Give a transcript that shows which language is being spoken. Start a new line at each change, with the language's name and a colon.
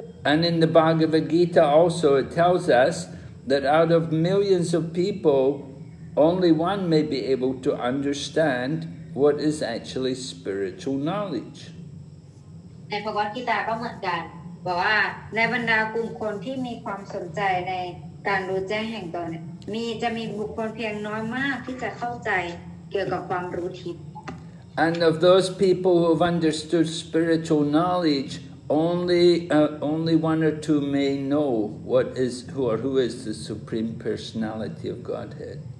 English: And in the Bhagavad Gita also, it tells us that out of millions of people, only one may be able to understand what is actually spiritual knowledge.
Thai: ในพระวจนะก็เหมือนกันบอกว่าในบรรดากลุ่มคนที่มีความสนใจในการรู้แจ้งแห่งตนมีจะมีบุคคลเพียงน้อยมากที่จะเข้าใจเกี่ยวกับความรู้ทิพย์
English: And of those people who have understood spiritual knowledge,Only one or two may know what is who or who is the Supreme Personality of Godhead.